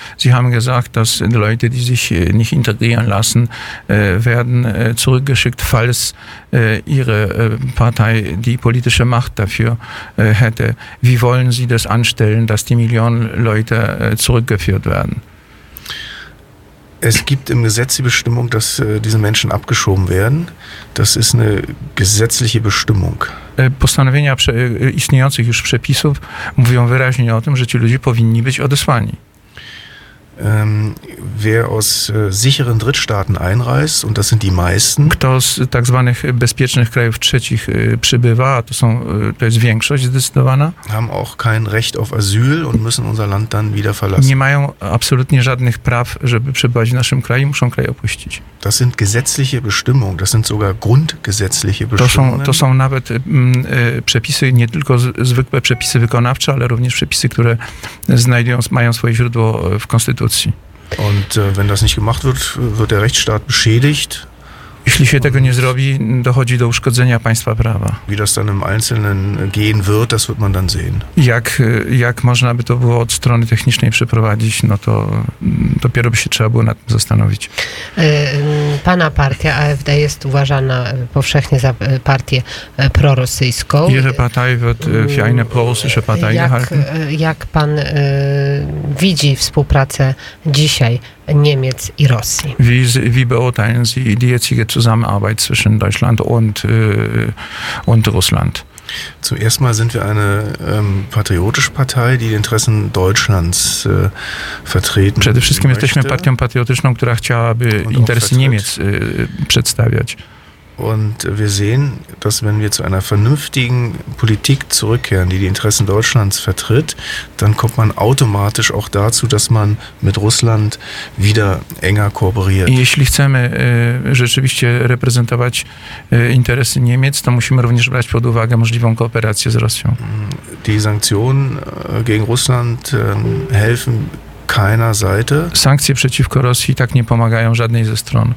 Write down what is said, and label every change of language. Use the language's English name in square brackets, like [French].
[German] Sie haben gesagt, dass die Leute, die sich nicht integrieren lassen, werden zurückgeschickt, falls ihre Partei die politische Macht dafür hätte. Wie wollen Sie das anstellen, dass die Millionen Leute zurückgeführt werden? Es gibt im Gesetz die Bestimmung, dass diese Menschen abgeschoben werden. Das ist eine gesetzliche Bestimmung. [Polish] Postanowienia istniejących już przepisów mówią wyraźnie o tym, że ci ludzie powinni być odesłani. [German] Wer aus sicheren Drittstaaten einreist, und das sind die meisten. [Polish] Kto z tak zwanych bezpiecznych krajów trzecich przybywa, to jest większość zdecydowana. [German] Haben auch kein Recht auf Asyl und müssen unser Land dann wieder verlassen. [Polish] Nie mają absolutnie żadnych praw, żeby przebywać w naszym kraju, muszą kraj opuścić. [German] Das sind gesetzliche Bestimmungen, das sind sogar grundgesetzliche Bestimmungen. [Polish] To są nawet przepisy, nie tylko zwykłe przepisy wykonawcze, ale również przepisy, które mają swoje źródło w konstytucji. [German] Und wenn das nicht gemacht wird, wird der Rechtsstaat beschädigt. [Polish] Jeśli się tego nie zrobi, dochodzi do uszkodzenia państwa prawa. [German] Wie das dann im Einzelnen gehen wird, das wird man dann sehen. [Polish] Jak można by to było od strony technicznej przeprowadzić, no to dopiero by się trzeba było nad tym zastanowić. Pana partia AfD jest uważana powszechnie za partię prorosyjską. [German] Ihre Partei wird für eine prorussische Partei gehalten. [Polish] Jak pan widzi współpracę dzisiaj Niemiec i Rosji? [German] Wie beurteilen Sie die jetzige Zusammenarbeit zwischen Deutschland und Russland? Zuerst mal sind wir eine patriotische Partei, die die Interessen Deutschlands vertreten. [Polish] Przede wszystkim jesteśmy partią patriotyczną, która chciałaby interesy Niemiec przedstawiać. [German] Und wir sehen, dass wenn wir zu einer vernünftigen Politik zurückkehren, die die Interessen Deutschlands vertritt, dann kommt man automatisch auch dazu, dass man mit Russland wieder enger kooperiert. [Polish] Jeśli chcemy rzeczywiście reprezentować interesy Niemiec, to musimy również brać pod uwagę możliwą kooperację z Rosją. [German] Die Sanktionen gegen Russland helfen keiner Seite. [Polish] Sankcje przeciwko Rosji tak nie pomagają żadnej ze stron.